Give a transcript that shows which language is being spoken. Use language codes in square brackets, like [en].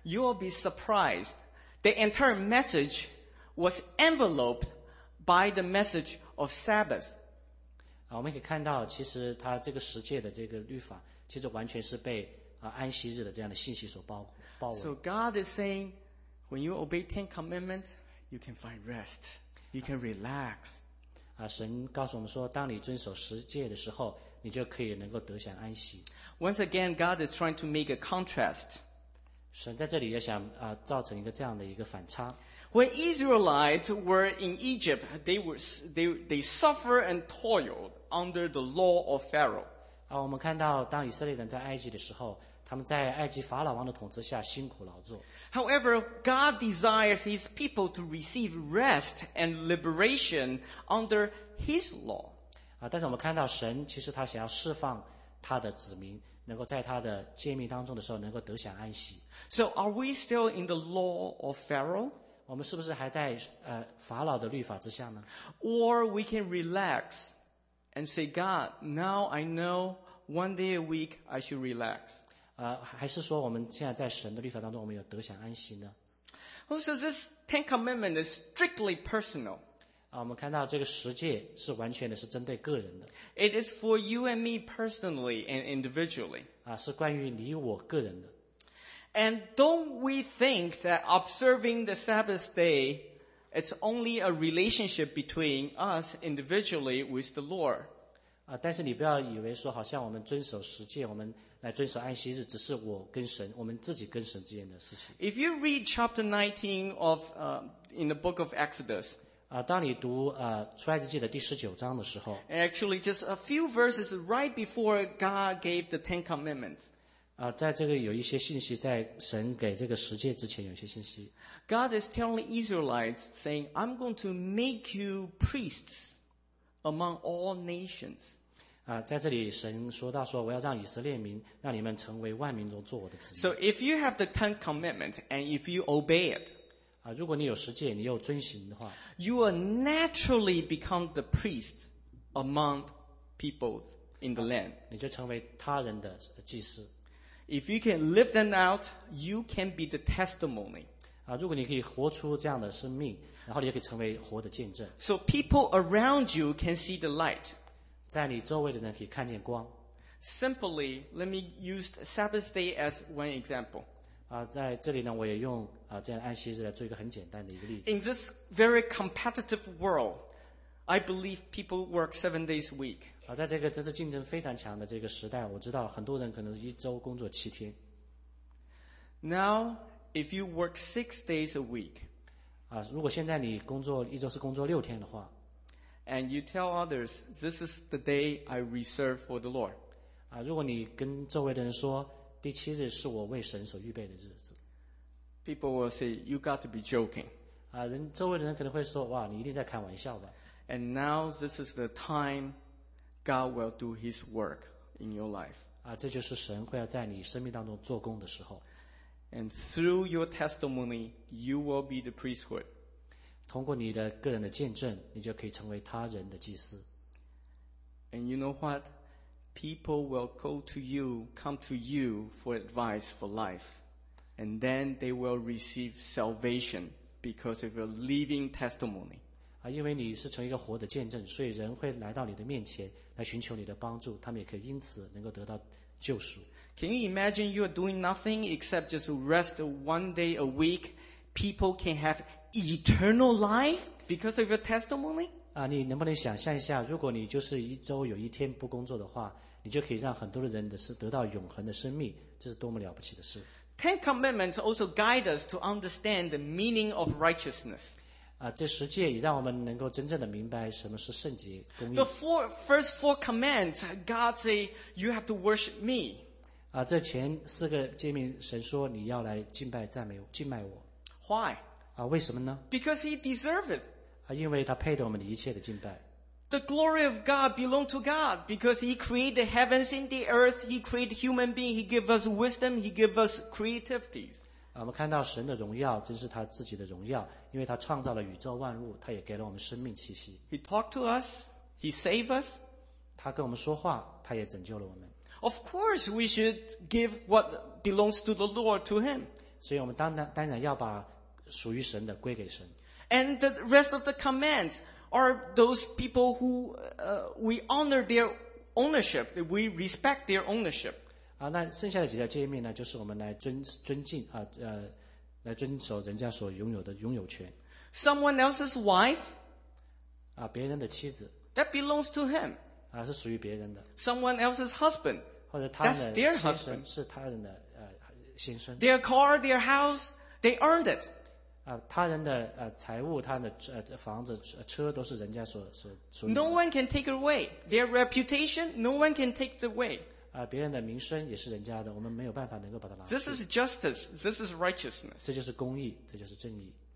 [en] you will be surprised. The entire message was enveloped by the message of Sabbath. [zh] 我们可以看到，其实它这个十诫的这个律法，其实完全是被安息日的这样的信息所包围。 [en] So God is saying, when you obey Ten Commandments. You can find rest. You can relax. [zh] 神告诉我们说，当你遵守十诫的时候，你就可以能够得享安息。 [en] Once again, God is trying to make a contrast. [zh] 神在这里也想造成一个这样的一个反差。 [en] When Israelites were in Egypt, they suffered and toiled under the law of Pharaoh. [zh] 我们看到当以色列人在埃及的时候，他们在埃及法老王的统治下辛苦劳作。 [en] However, God desires His people to receive rest and liberation under His law. [zh] 但是我们看到神其实他想要释放他的子民，能够在他的诫命当中的时候能够得享安息。 [en] So are we still in the law of Pharaoh? [zh] 我们是不是还在法老的律法之下呢？ [en] Or we can relax and say, God, now I know one day a week I should relax. [zh] 还是说我们现在在神的律法当中，我们有得享安息呢？ [en] Also, this Ten Commandment is strictly personal. [zh] 我们看到这个十诫是完全的是针对个人的。 [en] It is for you and me personally and individually. [zh] 是关于你我个人的。 [en] And don't we think that observing the Sabbath day, it's only a relationship between us individually with the Lord? [zh] 但是你不要以为说好像我们遵守十诫，我们来遵守安息日，只是我跟神，我们自己跟神之间的事情。 [en] If you read chapter 19 of in the book of Exodus, [zh] 当你读出埃及记的第十九章的时候 [en] ，actually just a few verses right before God gave the Ten Commandments, [zh] 在这个有一些信息，在神给这个十诫之前有一些信息。 [en] God is telling Israelites, saying, "I'm going to make you priests among all nations." [zh] 在这里神说到说，我要让以色列民，让你们成为万民中做我的子民。 [en] So if you have the Ten Commandments and if you obey it, [zh] 如果你有十诫，你又遵行的话， [en] you will naturally become the priest among people in the land. [zh] 你就成为他人的祭司。 [en] If you can live them out, you can be the testimony. [zh] 如果你可以活出这样的生命，然后你也可以成为活的见证。 [en] So people around you can see the light. [zh] 在你周围的人可以看见光。 [en] Simply, let me use Sabbath day as one example. [zh] 在这里呢，我也用这样的安息日来做一个很简单的一个例子。 [en] In this very competitive world, I believe people work 7 days a week. [zh] 在这个真是竞争非常强的这个时代，我知道很多人可能一周工作七天。 [en] Now, if you work 6 days a week, [zh] 如果现在你工作一周是工作六天的话 [en] ，and you tell others this is the day I reserve for the Lord. [zh] 如果你跟周围的人说第七日是我为神所预备的日子 [en] ，people will say you got to be joking. [zh] 周围的人可能会说哇，你一定在开玩笑吧。 [en] And now this is the time God will do His work in your life. [zh] 这就是神会要在你生命当中做工的时候。 [en] And through your testimony, you will be the priesthood. [zh] 通过你的个人的见证，你就可以成为他人的祭司。 [en] And you know what? People will call to you, come to you for advice for life. And then they will receive salvation because of your living testimony. [zh] 因为你是成一个活的见证，所以人会来到你的面前来寻求你的帮助，他们也可以因此能够得到救赎。 [en] Can you imagine you are doing nothing except just rest one day a week? People can have eternal life because of your testimony? [zh] 你能不能想象一下，如果你就是一周有一天不工作的话，你就可以让很多的人得到永恒的生命，这是多么了不起的事。 [en] Ten Commandments also guide us to understand the meaning of righteousness. [zh] 这十诫也让我们能够真正的明白什么是圣洁、公义。 [en] The first four commands, God say, you have to worship me. [zh] 这前四个诫命神说你要来敬拜赞美敬拜我 [en] Why? [zh] 为什么呢 [en] Because he deserves it. [zh] 因为他配得我们的一切的敬拜 [en] The glory of God belongs to God because he created the heavens and the earth. He created human beings. He gives us wisdom. He gives us creativity. [zh] 我们看到神的荣耀真是他自己的荣耀，因为他创造了宇宙万物，他也给了我们生命气息。 [en] He talked to us. He saved us. [zh] 他跟我们说话，他也拯救了我们。 [en] Of course, we should give what belongs to the Lord to Him. [zh] 所以我们当然要把属于神的归给神。 [en] And the rest of the commands are those people who we honor their ownership. We respect their ownership. [zh] 那剩下的几条诫命呢，就是我们来尊敬来遵守人家所拥有的拥有权。 [en] Someone else's wife. [zh] 别人的妻子。 [en] That belongs to him. [zh] 是属于别人的。 [en] Someone else's husband. [zh] 或者他的先生 [en] That's their husband. [zh] 是他人的先生。 [en] Their car, their house, they earned it. [zh] 他人的财务，他的房子车都是人家所 [en] No one can take it away. Their reputation, no one can take it away. [zh] 别人的名声也是人家的，我们没有办法能够把它拿去。 [en] This is justice. This is righteousness. [zh] 这就是公义，这就是正义。